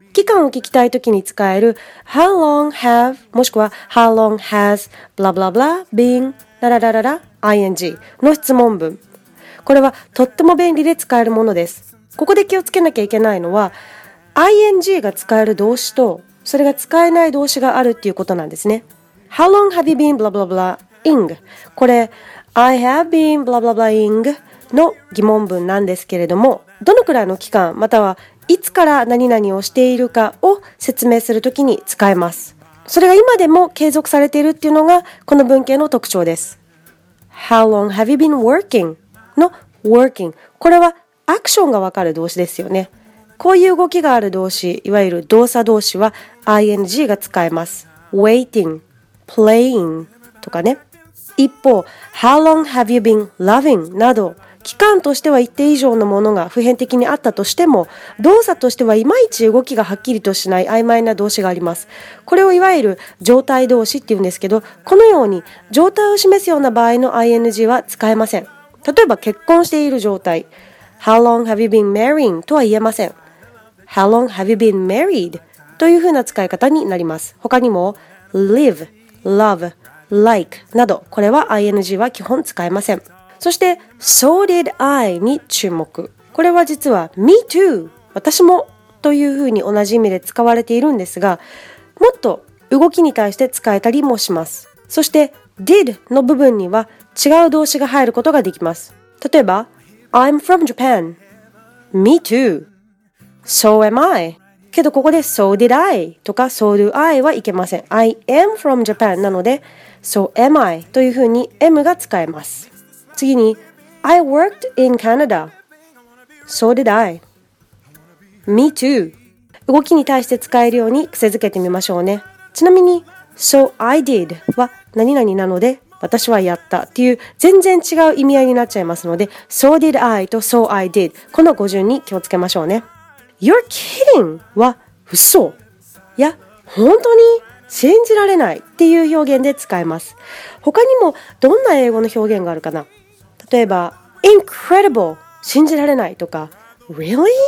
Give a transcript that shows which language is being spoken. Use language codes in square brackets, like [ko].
[ja] 期間を聞きたいときに使える [en] How long have [ja] もしくは [en] How long has blah blah blah been [ja] ラララララ ing の質問文。これはとっても便利で使えるものです。ここで気をつけなきゃいけないのは、ing が使える動詞と、それが使えない動詞があるっていうことなんですね。 [en] How long have you been blah blah blah ing? [ja] これ、 [en] I have been blah blah blah ing [ja] の疑問文なんですけれども、どのくらいの期間、またはいつから何々をしているかを説明するときに使えます。それが今でも継続されているっていうのが、この文型の特徴です。 [en] How long have you been working? [ja] の working これはアクションがわかる動詞ですよね。こういう動きがある動詞、いわゆる動作動詞は ing が使えます。 waiting, playing とかね。一方、 [en] how long have you been loving [ja] など期間としては一定以上のものが普遍的にあったとしても、動作としてはいまいち動きがはっきりとしない曖昧な動詞があります。これをいわゆる状態動詞って言うんですけど、このように状態を示すような場合の ing は使えません。例えば結婚している状態。 [en] How long have you been marrying? [ja] とは言えません。 [en] How long have you been married? [ja] というふうな使い方になります。他にも、live, love, like など、これは ing は基本使えません。そして、 [en] so did I [ja] に注目。これは実は、 [en] me too, [ja] 私もというふうに同じ意味で使われているんですが、もっと動きに対して使えたりもします。そして、did の部分には、違う動詞が入ることができます。例えば、 [en] I'm from Japan. Me too. So am I. [ja] けどここで、 [en] So did I. とか、So do I. [ja] はいけません。 [en] I am from Japan. なので、So am I. [ja] というふうに、M が使えます。 [en] 次に、I worked in Canada. So did I. Me too. [ja] 動きに対して使えるように癖づけてみましょうね。 [en] ちなみに、So I did. [ja] は、何々なので、私はやったっていう全然違う意味合いになっちゃいますので [en] So did I [ja] と [en] So I did [ja] この語順に気をつけましょうね [en] You're kidding [ja] は嘘いや本当に信じられないっていう表現で使えます他にもどんな英語の表現があるかな例えば Incredible 信じられないとか [en] Really?